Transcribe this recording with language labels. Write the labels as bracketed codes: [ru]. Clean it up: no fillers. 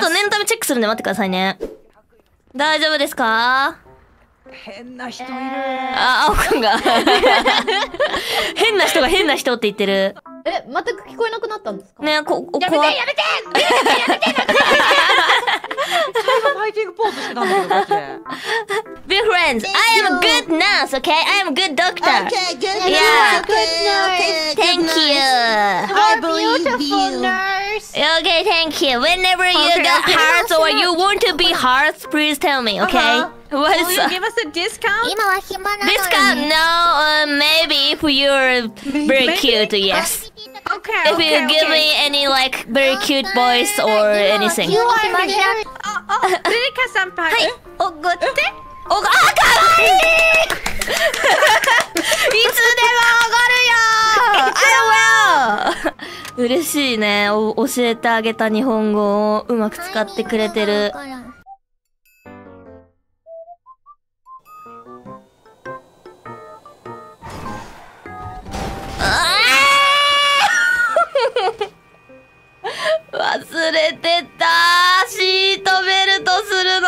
[ja] ちょっと念のためチェックするんで待ってくださいね、大丈夫ですか、変な人いる、あ、青くんが変な人が変な人って言ってる、え、全く聞こえなくなったんですか、ねえ、こ、やめてやめてやめてやめてファイティングポーズしてたんだけど、マジで [en] Be friends! I am a good nurse, okay? I am a good doctor! Okay, good nurse! Thank you! I believe you! Okay, thank you! Whenever you got hurt or you want to be hurt, please tell me, okay? What's Will you give us a discount? [ja] 今は暇なのに。 [en] No, maybe if you're very cute, yes. Okay, if you give me any like very cute voice or anything. You are very cute. [ja] Rika senpai. はい。おごって。おご、あ、かわいい。いつでもおごるよ。 [en] I will. [ja] 嬉しいね、教えてあげた日本語をうまく使ってくれてる。忘れてたー、シートベルトするの。